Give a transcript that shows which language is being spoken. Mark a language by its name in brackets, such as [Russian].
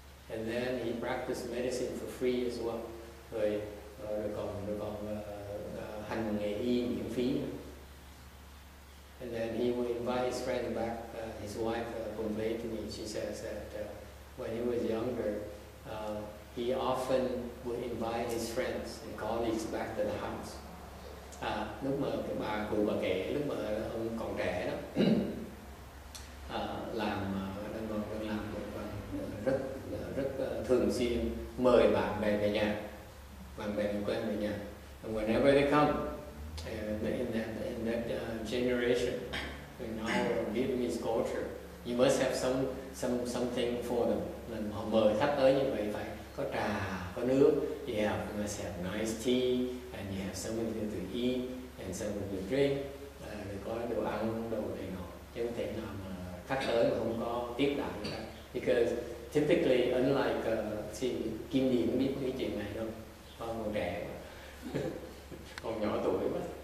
[English] And then he practiced medicine for free as well. [Vietnamese] Rồi còn hành nghề y miễn phí. [English] And then he would invite his friend back, his wife complained to me. She says that when he was younger, he often would invite his friends and colleagues back to the house. [Vietnamese] À, lúc mà cái bà cụ bà kể, lúc mà ông còn trẻ đó, đang làm một rất thường xuyên mời bạn bè quen về nhà. [English] And whenever they come, in that generation, in our Vietnamese culture, you must have something for them. [Vietnamese] Là họ mời khách tới như vậy phải. Có trà, có nước, [English] you have nice tea, and you have something to eat, and something to drink. [Vietnamese] Có đồ ăn, đồ đầy ngọt. Chứ không thể nào mà khách tới mà không có tiếp đãi cả. [English] Because typically, unlike [Vietnamese] Kim Điền biết cái chuyện này đâu. Con còn trẻ quá. Còn nhỏ tuổi quá.